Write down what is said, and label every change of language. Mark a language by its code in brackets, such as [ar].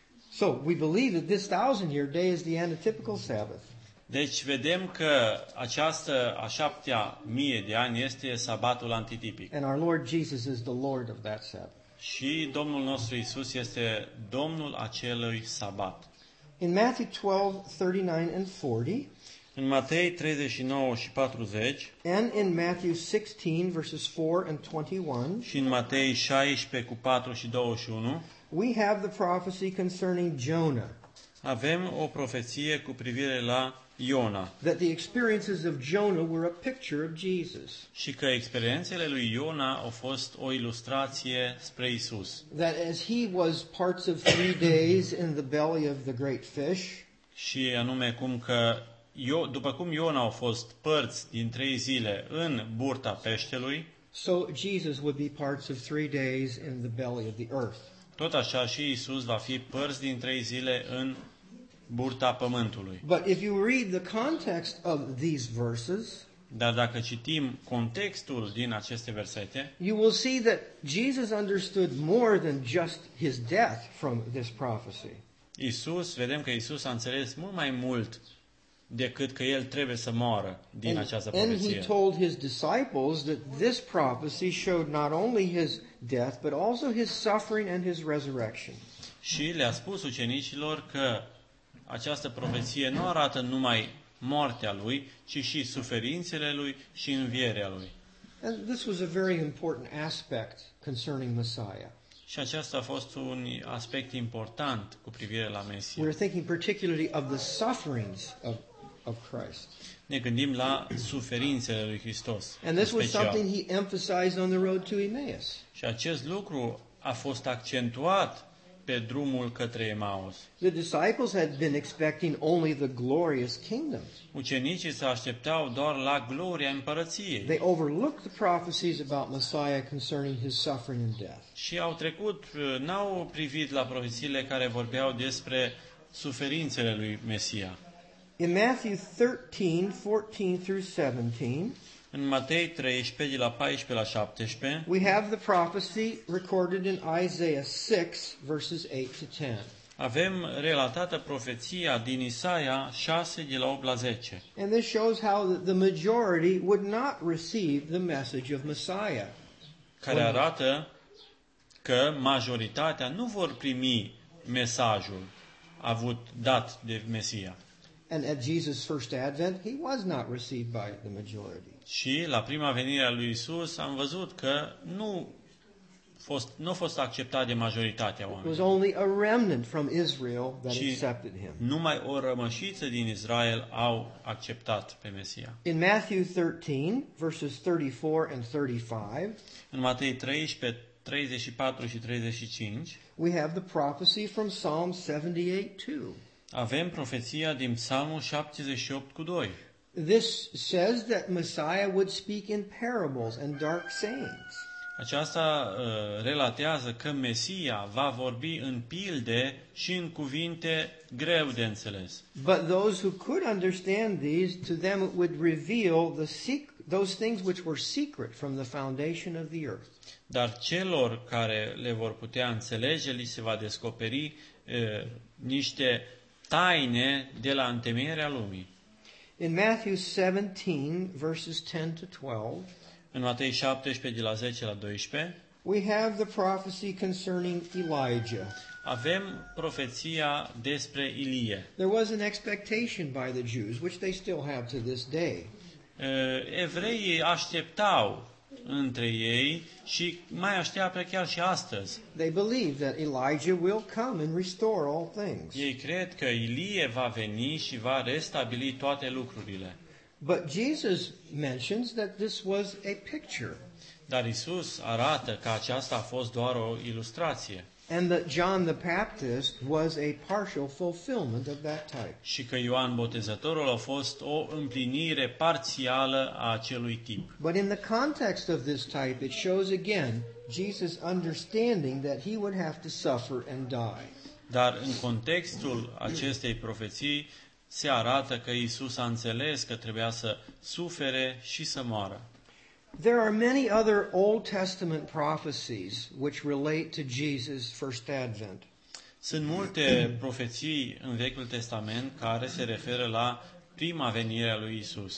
[en] So, we believe that this 1000 year day is the antitypical Sabbath. [ro] Deci vedem că această a șaptea mie de ani este sabatul antitipic. [en] And our Lord Jesus is the Lord of that Sabbath. [ro] Și Domnul nostru Isus este Domnul acelui sabat. [en] In Matthew 12:39 and 40, [ro] în Matei 39 și 40, [en] and in Matthew 16 verses 4 and 21, [ro] și în Matei 16 cu 4 și 21, [en] we have the prophecy concerning Jonah. [ro] Avem o profeție cu privire la Iona. [en] That the experiences of Jonah were a picture of Jesus. [ro] Și că experiențele lui Iona au fost o ilustrație spre Isus. [en] That as he was parts of 3 days in the belly of the great fish. [ro] Și anume cum că după cum Iona au fost părți din 3 zile în burta peștelui. [en] So Jesus would be parts of 3 days in the belly of the earth. [ro] Tot așa și Isus va fi părți din 3 zile în burta pământului. [en] But if you read the context of these verses, [ro] dar dacă citim contextul din aceste versete, [en] you will see that Jesus understood more than just his death from this prophecy. [ro] Isus, vedem că Isus a înțeles mult mai mult decât că el trebuie să moară din această profeție. [en] And he told his disciples that this prophecy showed not only his death, but also his suffering and his resurrection. [ro] Și le-a spus ucenicilor că această profeție nu arată numai moartea lui, ci și suferințele lui și învierea lui. [en] And this was a very important aspect concerning Messiah. [ro] Și acesta a fost un aspect important cu privire la Mesia. [en] We're thinking particularly of the sufferings of Christ. [ro] Ne gândim la suferințele lui Hristos. [en] And this was something he emphasized on the road to Emmaus. [ro] Și acest lucru a fost accentuat pe drumul către Emmaus. [en] The disciples had been expecting only the glorious kingdom. [ro] Ucenicii se așteptau doar la gloria împărăției. [en] They overlooked the prophecies about Messiah concerning his suffering and death. [ro] Și au trecut, n-au privit la profețiile care vorbeau despre suferințele lui Mesia. [en] In Matthew 13:14 through 17, [ro] în Matei 13, de la 14 la 17, [en] we have the prophecy recorded in Isaiah 6, verses 8 to 10. [ro] Avem relatată profeția din Isaia 6, de la 8 la 10. [en] And this shows how the majority would not receive the message of Messiah. [ro] Care arată că majoritatea nu vor primi mesajul avut dat de Mesia. [en] And at Jesus' first advent, he was not received by the majority. [ro] Și la prima venire a lui Isus am văzut că nu a fost acceptat de majoritatea oamenilor. [en] It was only a remnant from Israel that accepted him. [ro] Numai o rămășiță din Israel au acceptat pe Mesia. [en] In Matthew 13, verses 34 and 35, [ro] în Matei 13, 34 și 35, [en] we have the prophecy from Psalm 78:2. [ro] Avem profeția din Psalmul 78:2. [en] This says that Messiah would speak in parables and dark sayings. [ro] Aceasta relatează că Mesia va vorbi în pilde și în cuvinte greu de înțeles. [en] But those who could understand these, to them it would reveal the those things which were secret from the foundation of the earth. [ro] Dar celor care le vor putea înțelege, li se va descoperi niște taine de la întemeierea lumii. [en] In Matthew 17, verses 10 to 12, [ro] în Matei 17, de la 10 la 12, [en] we have the prophecy concerning Elijah. [ro] Avem profeția despre Ilie. [en] There was an expectation by the Jews, which they still have to this day. [ro] Evreii așteptau între ei și mai așteaptă chiar și astăzi. [en] They believe that Elijah will come and restore all things. [ro] Ei cred că Ilie va veni și va restabili toate lucrurile. [en] But Jesus mentions that this was a picture. [ro] Dar Isus arată că aceasta a fost doar o ilustrație. [en] And that John the Baptist was a partial fulfillment of that type. [ro] Și că Ioan Botezătorul a fost o împlinire parțială a acelui tip. [en] But in the context of this type, it shows again Jesus understanding that he would have to suffer and die. [ro] Dar în contextul acestei profeții se arată că Iisus a înțeles că trebuia să sufere și să moară. [en] There are many other Old Testament prophecies which relate to Jesus' first advent. [ro] Sunt multe profeții în Vechiul Testament care se referă la prima venire a lui Iisus.